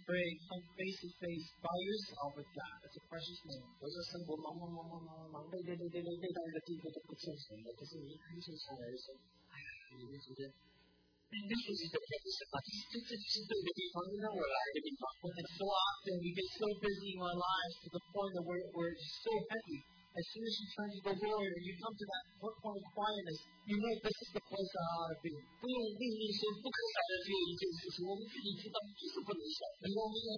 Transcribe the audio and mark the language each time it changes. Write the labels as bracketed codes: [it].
[en] pray come face to face by yourself with God. It's a precious moment. [zh] 不是生活忙忙忙忙忙忙，累累累累累累到一个地步都不清醒了。可是你一清醒来的时候，哎呀，你会觉得。 [en] And so often we get so busy in our lives to the point that we're so heavy. As soon as you turn to the Lord and you come to that point of quietness, you know this is the place I ought to be. We don't need